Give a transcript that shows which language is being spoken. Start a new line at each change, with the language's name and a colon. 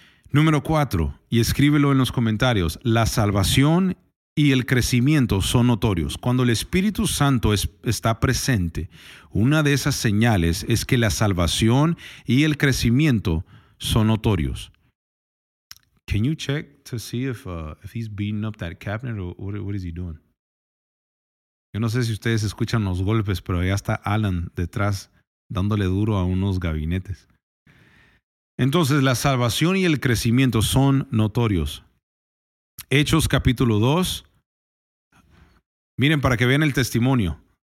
Spanish: Número 4, y escríbelo en los comentarios, la salvación y el crecimiento son notorios. Cuando el Espíritu Santo está presente, una de esas señales es que la salvación y el crecimiento son notorios.
English: Can you check to see if he's beating up that cabinet or what is he doing?
Spanish: Yo no sé si ustedes escuchan los golpes, pero allá está Alan detrás dándole duro a unos gabinetes. Entonces, la salvación y el crecimiento son notorios. Hechos capítulo 2. Miren, para que vean el testimonio.